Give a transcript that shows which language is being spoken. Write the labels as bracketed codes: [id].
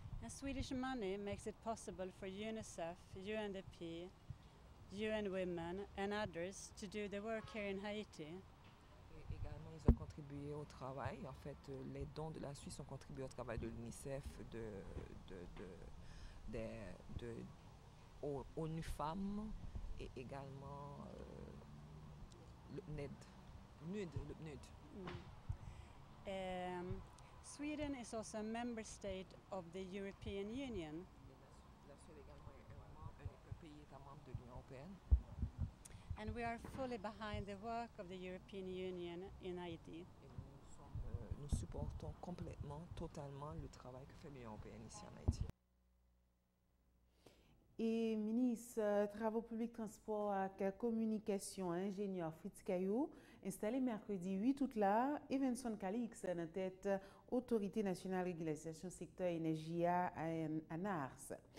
[en] The Swedish money makes it possible for UNICEF, UNDP, UN Women and others to do the work here in Haiti. [fr] Et également, ils ont contribué au travail. En fait, les dons de la Suisse ont contribué au travail de l'UNICEF, de ONU Femmes et également le PNUD. [en] Sweden is also a member state of the European Union. And we are fully behind the work of the European Union in Haiti. [fr] Nous supportons complètement, totalement le travail que fait l'Union européenne ici en Haïti. Et ministre Travaux publics, Transports et Communications, ingénieur Fritz Caillou, installé mercredi 8 août là, Evanson Calix, en tête Autorité nationale régulation secteur énergie ANARS.